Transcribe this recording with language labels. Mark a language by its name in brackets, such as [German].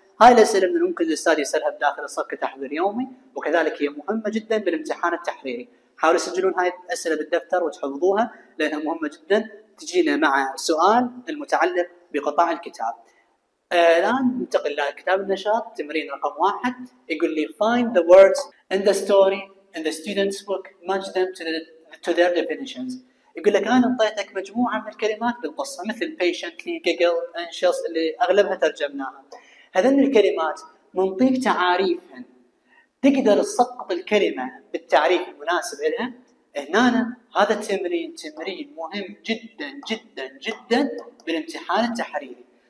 [Arabic] هاي الأسئلة من الممكن الأستاذ يسألها بداخل الصف كتحضير يومي، وكذلك هي مهمة جدا بالامتحان التحريري. حاولوا تسجلون هاي الأسئلة بالدفتر وتحفظوها لأنها مهمة جدا، تجينا مع سؤال المتعلق بقطع الكتاب. الآن ننتقل لكتاب النشاط تمرين رقم واحد. يقول لي [English] find the words in the story in the student's book, match them to their definitions. [Arabic] يقول لك أنا أعطيتك مجموعة من الكلمات بالقصة مثل [English] patiently, giggle, anxious [Arabic] اللي أغلبها ترجمناها. هذين الكلمات منطيك تعاريفهن، تقدر تسقط الكلمة بالتعريف المناسب لها. هنا هذا التمرين تمرين مهم جدا جدا جدا بالامتحان التحريري.